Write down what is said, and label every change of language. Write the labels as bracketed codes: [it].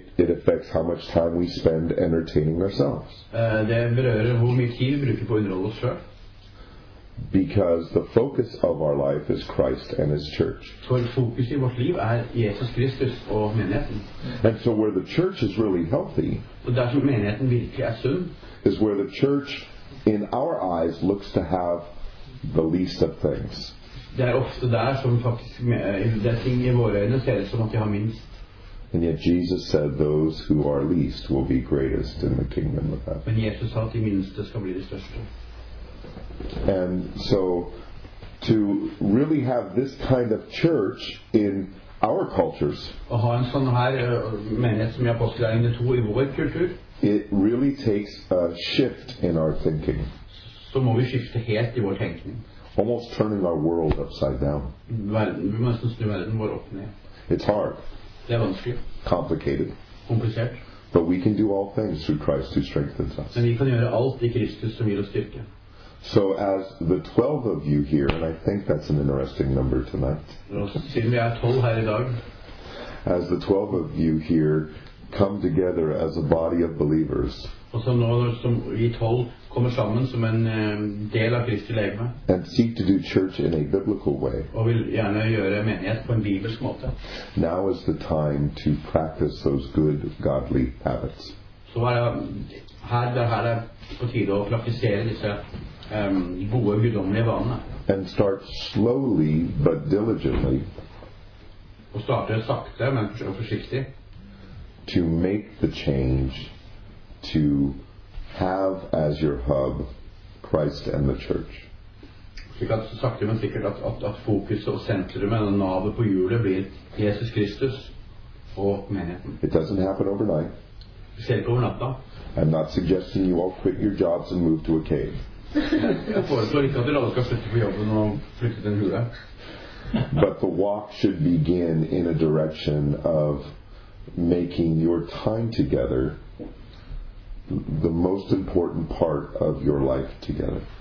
[en] It affects how much time we spend entertaining ourselves. [no] Det berører hvor mye tid vi bruker på å underholde oss selv. [en] Because the focus of our life is Christ and His church. [no] For fokus i vårt liv er Jesus Kristus og menigheten. [en] And so where the church is really healthy, [no] og dersom menigheten virkelig er sunn, [en] is where the church, in our eyes, looks to have the least of things. [no] Det er ofte der som faktisk det ting i våre øyne ser ut som at de har minst. [en] And yet Jesus said, those who are least will be greatest in the kingdom of heaven. [no] Men Jesus sa at de minste skal bli de største. [en] And so to really have this kind of church in our cultures, it really takes a shift in our thinking. [no] Så må vi skifte helt i vår tenkning. [en] Almost turning our world upside down. [no] Vi må snu verden vår opp ned. [en] It's hard. [no] Det er vanskelig. [en] Complicated. [no] Komplisert. [en] But we can do all things through Christ who strengthens us. [no] Men vi kan gjøre alt i Kristus som gir oss styrke. [en] So as the 12 of you here, and I think that's an interesting number tonight. [no] Siden vi 12 her i dag. [en] As the 12 of you here come together as a body of believers. [no] Og som nå som vi 12 kommer sammen som en del av Kristi legeme. [en] And seek to do church in a biblical way. [no] Og vil gjerne gjøre menighet på en bibelsk måte. [en] Now is the time to practice those good godly habits. [no] Så her er på tide å praktisere disse gode guddommelige vanene. [en] And start slowly but diligently. [no] Og starte sakte men forsiktig. [en] To make the change to have as your hub Christ and the church. [no] Slik at sakte men sikkert at fokuset og sentrumet eller navet på hjulet blir Jesus Kristus og menigheten. [en] It doesn't happen overnight. [no] Vi ser ikke over natta. [en] I'm not suggesting you all quit your jobs and move to a cave. [no] Jeg foreslår ikke at dere alle skal flytte på jobben og flytte til en hule. [en] But the walk should begin in a direction of making your time together the most important part of your life together.